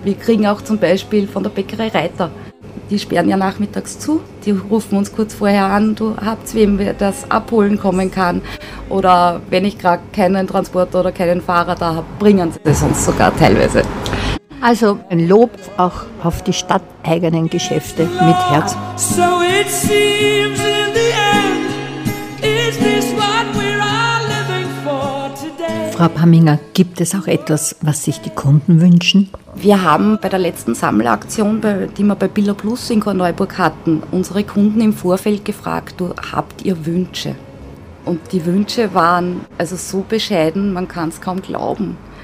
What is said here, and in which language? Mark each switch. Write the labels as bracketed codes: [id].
[de] Wir kriegen auch zum Beispiel von der Bäckerei Reiter. Die sperren ja nachmittags zu, die rufen uns kurz vorher an, du habt's, wem wir das abholen kommen kann. Oder wenn ich gerade keinen Transporter oder keinen Fahrer da habe, bringen sie das uns sogar teilweise. Also ein Lob auch auf die stadteigenen Geschäfte mit Herz. [en] So it seems in the end, is this what we're all living for today? [de] Frau Pamminger, gibt es auch etwas, was sich die Kunden wünschen? Wir haben bei der letzten Sammelaktion, die wir bei Billa Plus in Korneuburg hatten, unsere Kunden im Vorfeld gefragt, habt ihr Wünsche? Und die Wünsche waren also so bescheiden, man kann es kaum glauben.